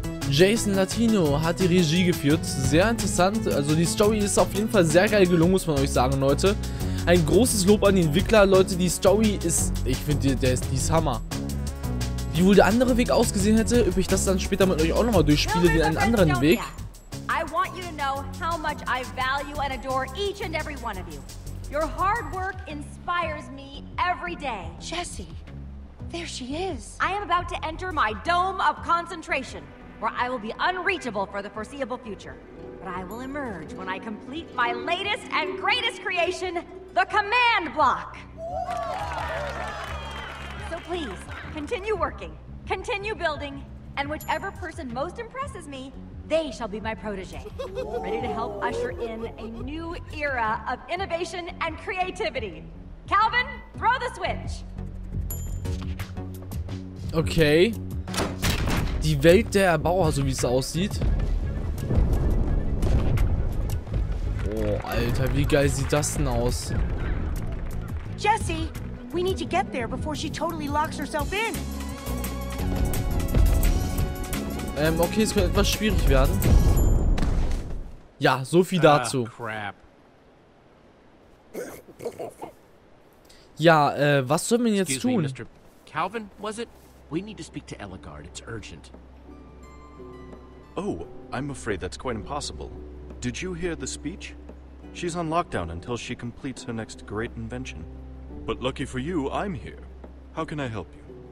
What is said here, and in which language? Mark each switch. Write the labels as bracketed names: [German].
[German] Jason Latino hat die Regie geführt. Sehr interessant. Also die Story ist auf jeden Fall sehr geil gelungen, muss man euch sagen, Leute. Ein großes Lob an die Entwickler, Leute. Die Story ist, ich finde, die ist Hammer. Wie wohl der andere Weg ausgesehen hätte, ob ich das dann später mit euch auch nochmal durchspiele, den einen anderen Weg. [English] I want you to know how much I value and adore each and every one of you. Your hard work inspires me every day. Jesse, there she is. I am about to enter my dome of concentration, where I will be unreachable for the foreseeable future. But I will emerge when I complete my latest and greatest creation, the command block. So please, continue working, continue building, and whichever person most impresses me, they shall be my protege, ready to help usher in a new era of innovation and creativity. Calvin, throw the switch. Okay. [German] Die Welt der Erbauer, so wie es aussieht. Oh, Alter, wie geil sieht das denn aus? [English] Jesse, we need to get there before she totally locks herself in. [German] Okay, es könnte etwas schwierig werden. Ja, so viel dazu. [English] Crap. [German] Ja, was sollen wir jetzt tun? [English] Excuse me, Mr. Calvin, was it? We need to speak to Elagard. It's urgent. Oh, I'm afraid that's quite impossible. Did you hear the speech? She's on lockdown until she completes her next great invention. But lucky for you, I'm here. How can I help you?